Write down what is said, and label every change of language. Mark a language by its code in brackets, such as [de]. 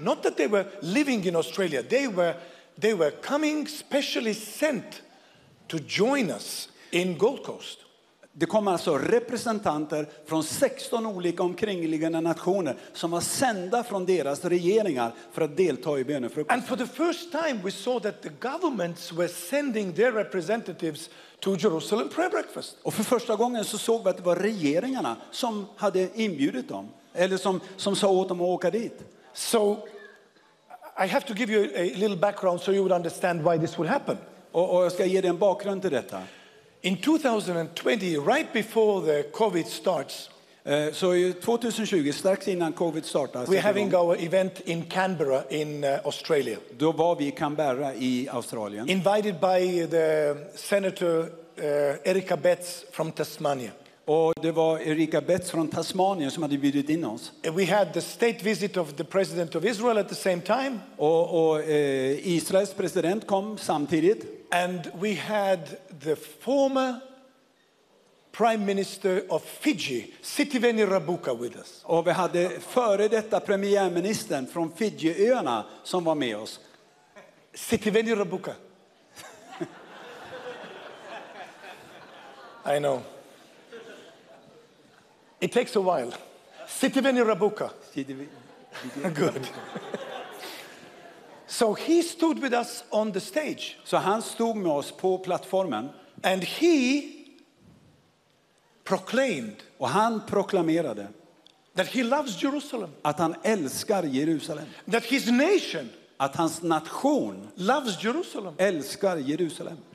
[en] Not that they were living in Australia. They were coming specially sent to join us in Gold Coast. [sv] Det kom alltså representanter från 16 olika omkringliggande nationer som var sända från deras regeringar för att delta i bönefrukosten. [en] And for the first time we saw that the governments were sending their representatives to Jerusalem prayer breakfast. [sv] Och för första gången så såg vi att det var regeringarna som hade inbjudit dem eller som sa åt dem att åka dit. [en] So I have to give you a little background so you would understand why this would happen. [sv] Och jag ska ge dig en bakgrund till detta. [en] In 2020, right before the COVID starts, [sv] so 2020, strax innan COVID startas, [en] we're having our event in Canberra in Australia. [sv] Då var vi i Canberra i Australien. [en] Invited by the Senator Erica Betts from Tasmania. [sv] Och det var Erica Betts från Tasmanien som hade bjudit in oss. [en] We had the state visit of the President of Israel at the same time. [sv] Och Israels president kom samtidigt. [en] And we had the former prime minister of Fiji, Sitiveni Rabuka, with us. [sv] Och vi hade före detta premiärministern från Fijiöarna som var med oss. Sitiveni Rabuka. [en] I know. It takes a while. Sitiveni Rabuka. Good. So he stood with us on the stage. [sv] Så han stod med oss på plattformen. [en] And he proclaimed. [sv] Och han proklamerade. [en] That he loves Jerusalem. [sv] Att han älskar Jerusalem. [en] That his nation. [sv] Att hans nation. [en] Loves Jerusalem. [sv] Älskar Jerusalem.